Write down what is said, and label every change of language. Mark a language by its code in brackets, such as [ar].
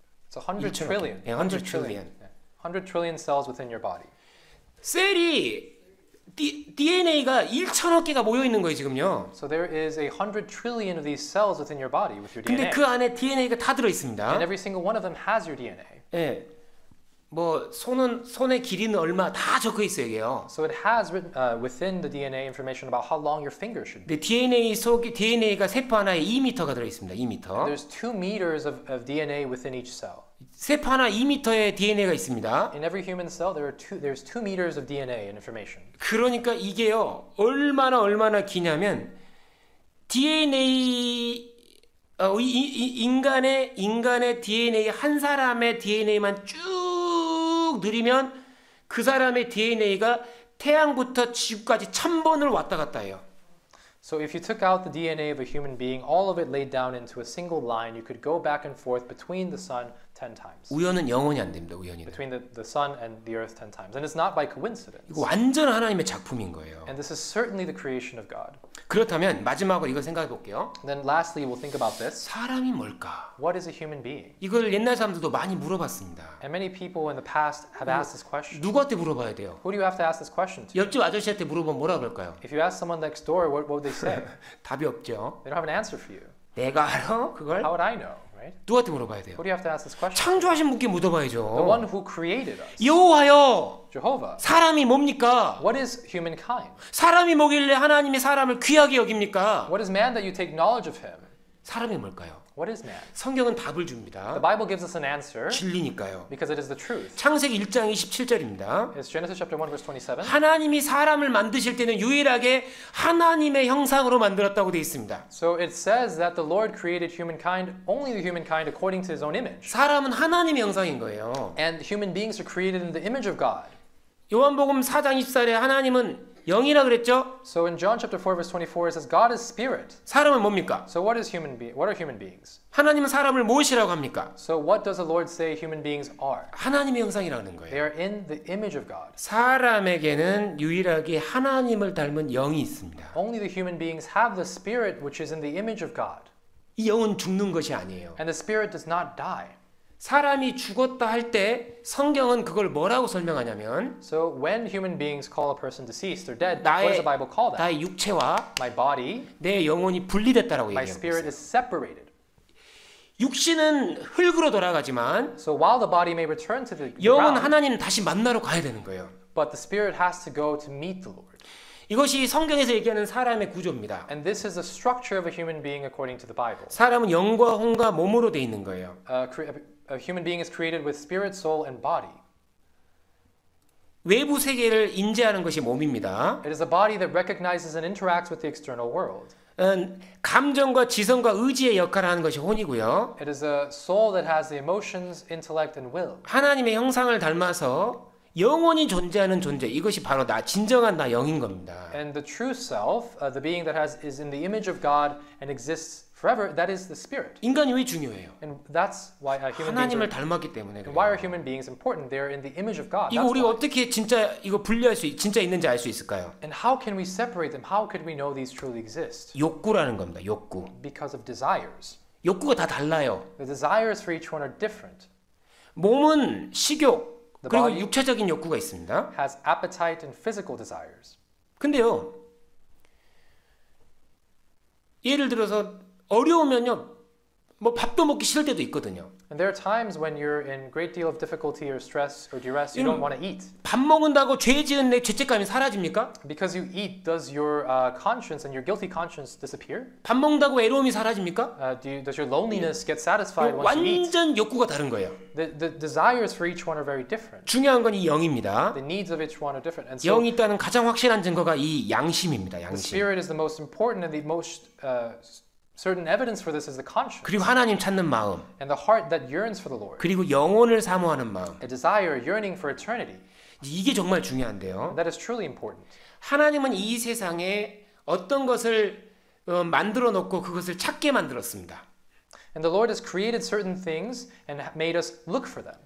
[en] So 100 trillion. 예, 100 trillion. 100 trillion cells within your body. [ko] 셀이 DNA가 1000억 개가 모여 있는 거예요, 지금요. [en] So there is a 100 trillion of these cells within your body with your DNA. [ko] 근데 그 안에 DNA가 다 들어 있습니다. [en] And every single one of them has your DNA. [ko] 예. 뭐 손의 길이는 얼마 다 적혀 있어요, 이게요. [en] So it has written, within the DNA information about how long your finger should be. [ko] DNA 속에 DNA가 세포 하나에 2m가 들어 있습니다. 2m. [en] And there's 2 meters of DNA within each cell. [ko] 세포 하나 2m의 DNA가 있습니다. [en] In every human cell there's 2 meters of DNA and information. [ko] 그러니까 이게요. 얼마나 기냐면 DNA 인간의 DNA 한 사람의 DNA만 쭉 누리면 그 사람의 DNA가 태양부터 지구까지 1000번을 왔다 갔다 해요. [en] So if you took out the DNA of a human being, all of it laid down into a single line, you could go back and forth between the sun 10 times. [ko] 우연은 영원히 안 됩니다. 우연이. [en] Between the sun and the earth 10 times. And it's not by coincidence. [ko] 이거 완전 하나님의 작품인 거예요. [en] And this is certainly the creation of God. [ko] 그렇다면 마지막으로 이걸 생각해 볼게요. [en] Then lastly, we'll think about this. [ko] 사람이 뭘까? [en] What is a human being? [ko] 이걸 옛날 사람들도 많이 물어봤습니다. [en] And many people in the past have asked this question. [ko] 누구한테 물어봐야 돼요? [en] Who do you have to ask this question to? [ko] 옆집 아저씨한테 물어보면 뭐라 그럴까요? [en] If you ask someone next door, what would they say? [ko] 답이 없죠. [en] They don't have an answer for you. [ko] 내가 알아? 그걸? [en] How would I know? [ko] 누구한테 물어봐야 돼요? [en] Who do you have to ask this question? [ko] 창조하신 분께 물어봐야죠. [en] The one who created us. [ko] 여호와요. [en] Jehovah. [ko] 사람이 뭡니까? [en] What is humankind? [ko] 사람이 뭐길래 하나님의 사람을 귀하게 여깁니까? [en] What is man that you take knowledge of him? [ko] 사람이 뭘까요? [en] What is man? [ko] 성경은 답을 줍니다. [en] The Bible gives us an answer. [ko] 진리니까요. [en] Because it is the truth. [ko] 창세기 1장 27절입니다. [en] It's Genesis chapter 1 verse 27. [ko] 하나님이 사람을 만드실 때는 유일하게 하나님의 형상으로 만들었다고 돼 있습니다. [en] So it says that the Lord created humankind only the humankind according to his own image. [ko] 사람은 하나님의 형상인 거예요. [en] And human beings are created in the image of God. [ko] 요한복음 4장 24절에 하나님은 영이라 그랬죠? [en] So in John chapter 4 verse 24 it says God is spirit. [ko] 사람은 뭡니까? [en] So what is human being? What are human beings? [ko] 하나님은 사람을 무엇이라고 합니까? [en] So what does the Lord say human beings are? [ko] 하나님의 형상이라는 거예요. [en] They are in the image of God. [ko] 사람에게는 유일하게 하나님을 닮은 영이 있습니다. [en] Only the human beings have the spirit which is in the image of God. [ko] 이 영은 죽는 것이 아니에요. [en] And the spirit does not die. [ko] 사람이 죽었다 할 때 성경은 그걸 뭐라고 설명하냐면 [en] So when human beings call a person deceased or dead, what does the Bible call that? [ko] 나의 육체와 [en] My body, [ko] 내 영혼이 분리됐다라고 얘기해요. [en] My spirit is separated. [ko] 육신은 흙으로 돌아가지만 [en] So while the body may return to the ground, [ko] 영은 하나님을 다시 만나러 가야 되는 거예요. [en] But the spirit has to go to meet the Lord. [ko] 이것이 성경에서 얘기하는 사람의 구조입니다. [en] And this is the structure of a human being according to the Bible. [ko] 사람은 영과 혼과 몸으로 돼 있는 거예요. [en] A human being is created with spirit, soul, and body. [ko] 외부 세계를 인지하는 것이 몸입니다. [en] It is a body that recognizes and interacts with the external world. [ko] 감정과 지성과 의지의 역할을 하는 것이 혼이고요. [en] It is a soul that has the emotions, intellect, and will. [ko] 하나님의 형상을 닮아서 영원히 존재하는 존재, 이것이 바로 나, 진정한 나, 영인 겁니다. [en] And the true self, the being that is in the image of God and exists forever, that is the spirit. [ko] 인간이 왜 중요해요? [en] And that's why human beings. [ko] 하나님을 닮았기 때문에. [en] And why are human beings important? They're in the image of God. [ko] 이거 우리가 어떻게 진짜 이거 분리할 수 진짜 있는지 알 수 있을까요? [en] And how can we separate them? How could we know these truly exist? [ko] 욕구라는 겁니다. 욕구. [en] Because of desires. [ko] 욕구가 다 달라요. [en] The desires for each one are different. [ko] 몸은 식욕, 그리고 육체적인 욕구가 있습니다. [en] Has appetite and physical desires. [ko] 근데요, 예를 들어서 어려우면요, 뭐 밥도 먹기 싫을 때도 있거든요. [en] And there are times when you're in great deal of difficulty or stress or duress, you don't want to eat. [ko] 밥 먹는다고 죄 지은 내 죄책감이 사라집니까? [en] Because you eat, does your conscience and your guilty conscience disappear? [ko] 밥 먹는다고 외로움이 사라집니까? [en] Does your loneliness get satisfied once you eat? [ko] 완전 욕구가 다른 거예요. [en] The desires for each one are very different. [ko] 중요한 건 이 영입니다. [en] The needs of each one are different. And [ko] so, 영이 있다는 가장 확실한 증거가 이 양심입니다. 양심. [en] The spirit is the most important and the most certain evidence for this is the conscience. [ko] 그리고 하나님 찾는 마음. [en] And the heart that yearns for the Lord. [ko] 그리고 영혼을 사모하는 마음. [en] A desire yearning for eternity. [ko] 이게 정말 중요한데요. [en] That is truly important. [ko] 하나님은 이 세상에 어떤 것을 만들어 놓고 그것을 찾게 만들었습니다. [en] And the Lord has created certain things and made us look for them.